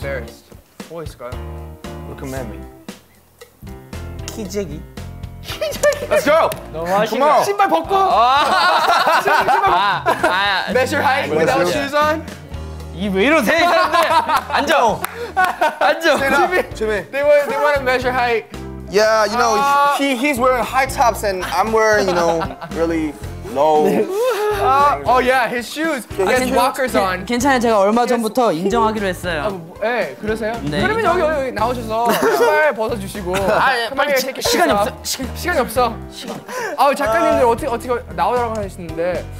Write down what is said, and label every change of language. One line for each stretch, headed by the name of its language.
Korean: Embarrassed. 뭐 있을까요?
English: Look at me.
Korean: 키재기.
English: Let's go! Come on!
Korean: 신발 벗고!
English: measure height without shoes on?
Korean: 이 왜 이러세요, 이 사람들? 앉아! 앉아! 재민!
English: They want to measure height. Yeah, you know, he's wearing high tops and I'm wearing, you know, really low. oh yeah, his shoes. He has walkers on.
Korean: 괜찮아요, 제가 얼마 전부터 인정하기로 했어요. 네, 그러세요? 네, 그러면 여기 나오셔서 신발 벗어주시고 빨리 체크해. 시간이 없어. 시간이 없어. 시간. 아, 작가님들 어떻게 나오라고 하시는데.